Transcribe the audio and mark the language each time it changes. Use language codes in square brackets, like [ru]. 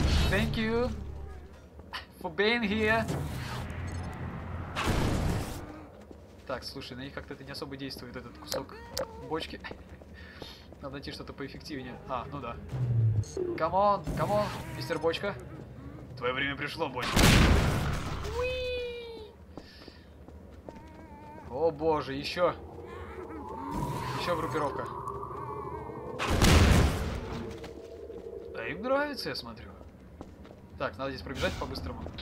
[en] Thank you for being here. [ru] Так, слушай, на них как-то это не особо действует, этот кусок бочки. Надо найти что-то поэффективнее. А, ну да. [en] Come on, come on, [ru] мистер Бочка. Твое время пришло, Бочка. О боже, еще. Еще группировка. Да им нравится, я смотрю. Так, надо здесь пробежать по-быстрому.